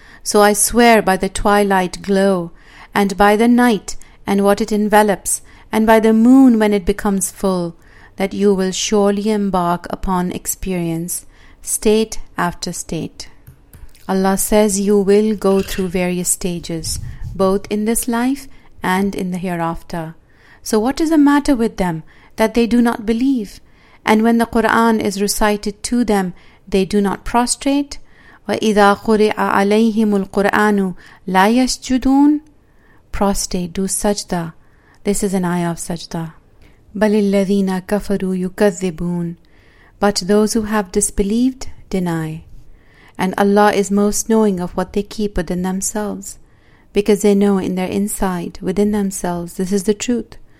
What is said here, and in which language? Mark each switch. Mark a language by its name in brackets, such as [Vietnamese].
[English] So I swear by the twilight glow, and by the night and what it envelops, and by the moon when it becomes full, that you will surely embark upon experience, state after state. Allah says you will go through various stages, both in this life and in the hereafter. So what is the matter with them that they do not believe? And when the Quran is recited to them, they do not prostrate? [Arabic] وَإِذَا قُرِعَ عَلَيْهِمُ الْقُرْآنُ لَا يَسْجُدُونَ [English] Prostrate, do sajda. This is an ayah of sajda. [Arabic] بَلِ الَّذِينَ كَفَرُوا يُكَذِّبُونَ [English] But those who have disbelieved, deny. And Allah is most knowing of what they keep within themselves, because they know in their inside, within themselves, this is the truth.